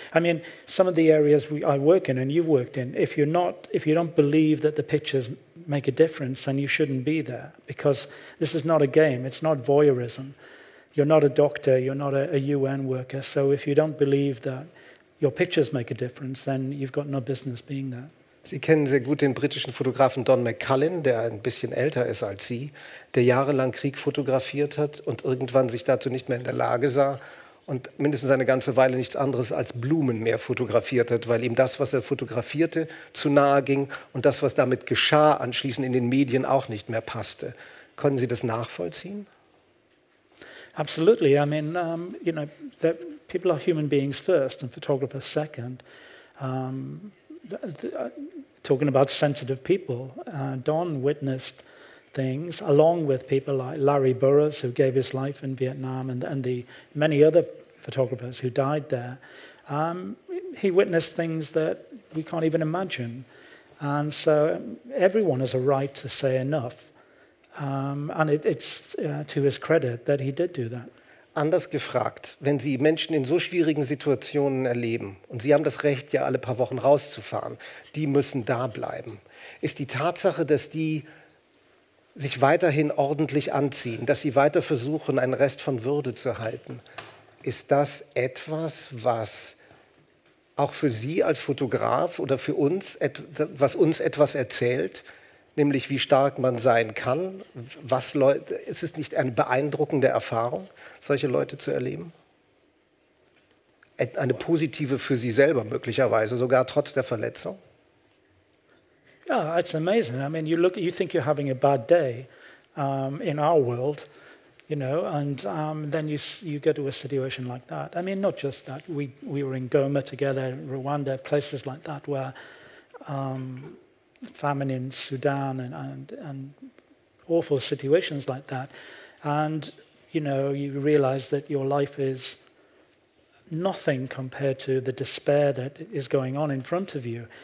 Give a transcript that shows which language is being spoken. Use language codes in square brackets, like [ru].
[en] I mean, some of the areas I work in, and you've worked in, if you don't believe that the pictures make a difference, then you shouldn't be there, because this is not a game. It's not voyeurism. You're not a doctor. You're not a UN worker. So if you don't believe that your pictures make a difference, then you've got no business being there. [de] Sie kennen sehr gut den britischen Fotografen Don McCullen, der ein bisschen älter ist als Sie, der jahrelang Krieg fotografiert hat und irgendwann sich dazu nicht mehr in der Lage sah und mindestens eine ganze Weile nichts anderes als Blumen mehr fotografiert hat, weil ihm das, was er fotografierte, zu nahe ging und das, was damit geschah, anschließend in den Medien auch nicht mehr passte. Können Sie das nachvollziehen? [en] Absolutely. I mean, you know, people are human beings first and photographers second. Talking about sensitive people, Don witnessed things along with people like Larry Burroughs, who gave his life in Vietnam, and the many other photographers who died there. He witnessed things that we can't even imagine. And so everyone has a right to say enough. And it's to his credit that he did do that. [de] Anders gefragt, wenn Sie Menschen in so schwierigen Situationen erleben und Sie haben das Recht, ja alle paar Wochen rauszufahren, die müssen da bleiben. Ist die Tatsache, dass die sich weiterhin ordentlich anziehen, dass sie weiter versuchen, einen Rest von Würde zu halten, ist das etwas, was auch für Sie als Fotograf oder für uns, was uns etwas erzählt? Nämlich, wie stark man sein kann. Was Leute, ist es nicht eine beeindruckende Erfahrung, solche Leute zu erleben? Eine positive für sie selber möglicherweise, sogar trotz der Verletzung? Ja, [en] yeah, it's amazing. I mean, you think you're having a bad day in our world, you know, and then you go to a situation like that. I mean, not just that. We were in Goma together, Rwanda, places like that, where famine in Sudan and awful situations like that, and you know, you realize that your life is nothing compared to the despair that is going on in front of you.